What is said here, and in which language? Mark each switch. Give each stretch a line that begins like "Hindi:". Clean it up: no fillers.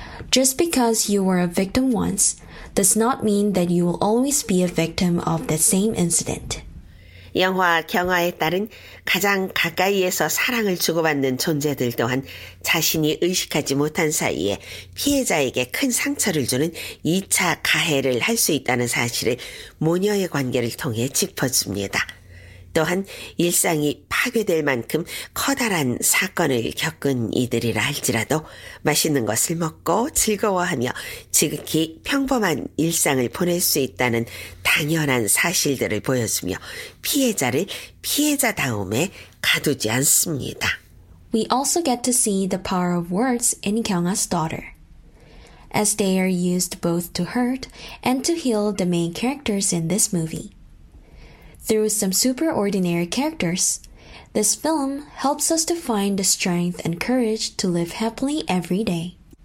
English: Just because you were a victim once, does not mean that you will always be a victim of the same incident.
Korean: 영화 경화의 딸은 가장 가까이에서 사랑을 주고받는 존재들 또한 자신이 의식하지 못한 사이에 피해자에게 큰 상처를 주는 2차 가해를 할 수 있다는 사실을 모녀의 관계를 통해 짚어줍니다. 또한 일상이 파괴될 만큼 커다란 사건을 겪은 이들이라 할지라도 맛있는 것을 먹고 즐거워하며 지극히 평범한 일상을 보낼 수 있다는 당연한 사실들을 보여주며 피해자를 피해자다움에 가두지 않습니다.
English: We also get to see the power of words in Kyung-ha's daughter. As they are used both to hurt and to heal the main characters in this movie. Through some super ordinary characters, this film helps us to find the strength and courage to live happily every day.